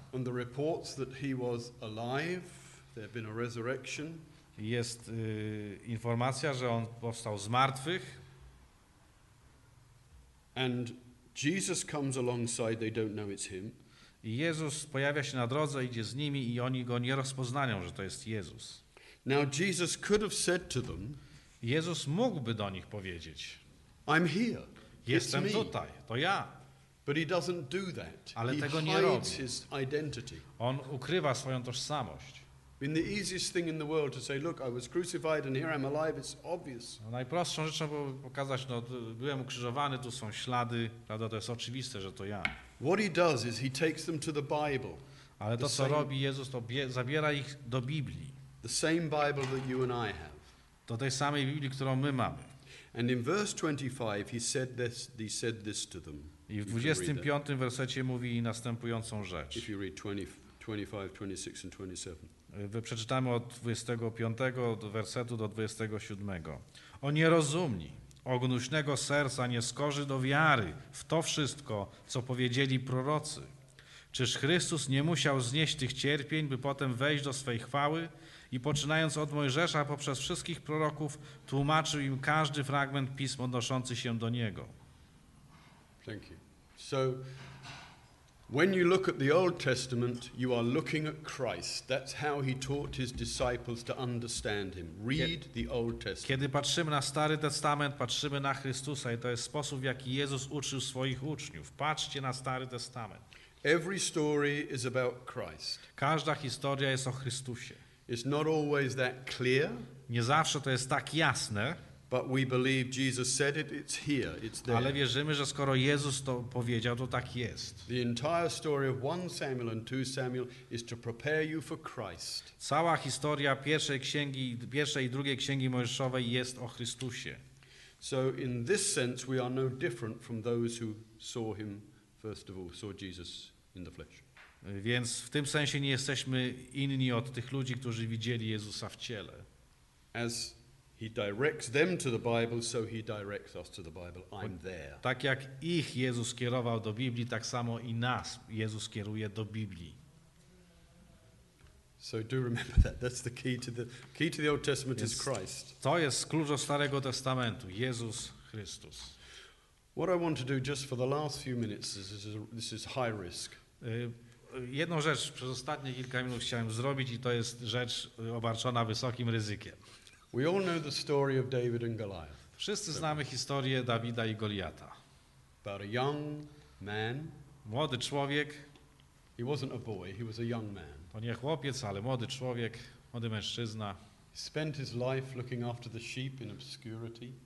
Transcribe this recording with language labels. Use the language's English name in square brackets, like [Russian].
[English] And the reports that he was alive, there had been a resurrection. [Polish] Jest informacja, że on powstał z martwych. [English] And Jesus comes alongside, they don't know it's him. [Polish] I Jezus pojawia się na drodze, idzie z nimi i oni go nie rozpoznają, że to jest Jezus. [English] Now Jesus could have said to them, [Polish] Jezus mógłby do nich powiedzieć, [English] I'm here, [Polish] jestem tutaj, to ja. [English] But he doesn't do that. [Polish] Ale [English] he [Polish] tego nie [English] hides [Polish] robi. [English] His identity. [Polish] On ukrywa swoją tożsamość. [English] The easiest thing in the world to say, look, I was crucified and here I'm alive, it's obvious. [Polish] Najprostszą rzeczą było pokazać, no, byłem ukrzyżowany, tu są ślady, prawda, to jest oczywiste, że to ja. [English] What he does is he takes them to the Bible. [Polish] Ale to, co robi Jezus, to zabiera ich do Biblii. [English] The same Bible that you and I have. [Polish] Do tej samej Biblii, którą my mamy. [English] And in verse 25 he said this to them. [Polish] I w 25 wersecie mówi następującą rzecz. [English] If you read 25, 26 and 27. [Polish] Wy przeczytamy od 25 do wersetu do 27. O nierozumni, o gnuśnego serca, nieskorzy do wiary w to wszystko, co powiedzieli prorocy. Czyż Chrystus nie musiał znieść tych cierpień, by potem wejść do swej chwały? I poczynając od Mojżesza poprzez wszystkich proroków, tłumaczył im każdy fragment pism odnoszący się do Niego. [English] Thank you. So, when you look at the Old Testament, you are looking at Christ. That's how he taught his disciples to understand him. Read the Old Testament. [Polish] Kiedy patrzymy na Stary Testament, patrzymy na Chrystusa i to jest sposób, w jaki Jezus uczył swoich uczniów. Patrzcie na Stary Testament. [English] Every story is about Christ. [Polish] Każda historia jest o Chrystusie. [English] It's not always that clear. [Polish] Nie zawsze to jest tak jasne. [English] But we believe Jesus said it, it's here, it's there. [Polish] Ale wierzymy, że skoro Jezus to powiedział, to tak jest. [English] The entire story of 1 Samuel and 2 Samuel is to prepare you for Christ. [Polish] Cała historia pierwszej i drugiej księgi Mojżeszowej jest o Chrystusie. [English] So in this sense we are no different from those who saw him first of all, saw Jesus in the flesh. [Polish] Więc w tym sensie nie jesteśmy inni od tych ludzi, którzy widzieli Jezusa w ciele. [English] As he directs them to the Bible, so he directs us to the Bible. I'm there. [Polish] Tak jak ich Jezus kierował do Biblii, tak samo i nas Jezus kieruje do Biblii. [English] So do remember that. That's the key to the Old Testament is Christ. [Polish] To jest klucz do Starego Testamentu, Jezus Chrystus. [English] What I want to do just for the last few minutes this is high risk. [Polish] Jedną rzecz przez ostatnie kilka minut chciałem zrobić i to jest rzecz obarczona wysokim ryzykiem. [English] We all know the story of David and Goliath. [Polish] Wszyscy znamy historię Dawida i Goliata. [English] About a young man. [Polish] Młody człowiek. [English] He wasn't a boy, he was a young man. [Polish] To nie chłopiec, ale młody człowiek, młody mężczyzna. [English] He spent his life looking after the sheep in obscurity.